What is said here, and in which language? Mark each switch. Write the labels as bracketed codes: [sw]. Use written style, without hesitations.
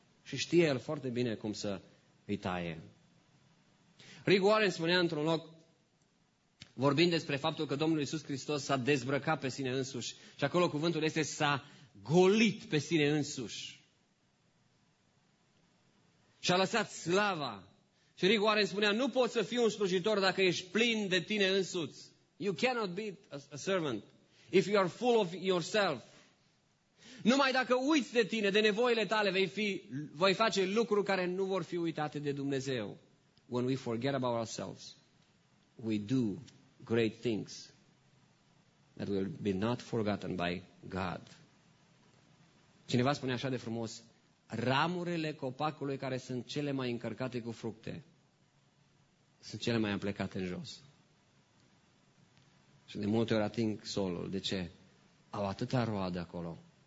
[ro] Și știe El foarte bine cum să îi taie. Rick Warren spunea într-un loc, vorbind despre faptul că Domnul Iisus Hristos s-a dezbrăcat pe sine însuși. Și acolo cuvântul este s-a golit pe sine însuși. Și a lăsat slava. Și Rick Warren spunea, nu poți să fii un slujitor dacă ești plin de tine însuți. [en] You cannot be a servant if you are full of yourself. [ro] Numai dacă uiți de tine, de nevoile tale, voi face lucruri care nu vor fi uitate de Dumnezeu. [en] When we forget about ourselves, we do great things that will be not forgotten by God. [ro] Cineva spune așa de frumos, ramurile copacului care sunt cele mai încărcate cu fructe sunt cele mai aplecate în jos. Și de multe ori ating solul. De ce? Au atâta roadă acolo.